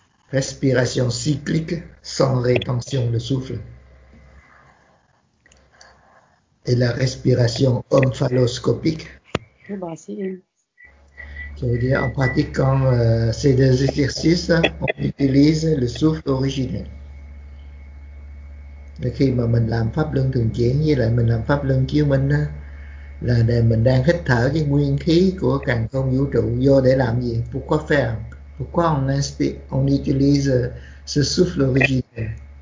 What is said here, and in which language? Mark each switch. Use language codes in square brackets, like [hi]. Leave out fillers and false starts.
[fr] Respiration cyclique sans rétention de souffle. Et la respiration omphaloscopique. Ça veut dire en pratiquant ces deux exercices, on utilise le souffle originel. [vi] Khi mà mình làm pháp luân thường chuyển với lại mình làm pháp luân chiếu minh á, là để mình đang hít thở cái nguyên khí của càn khôn vũ trụ vô để làm gì? [fr] Pourquoi faire? Pourquoi on utilise ce souffle originel?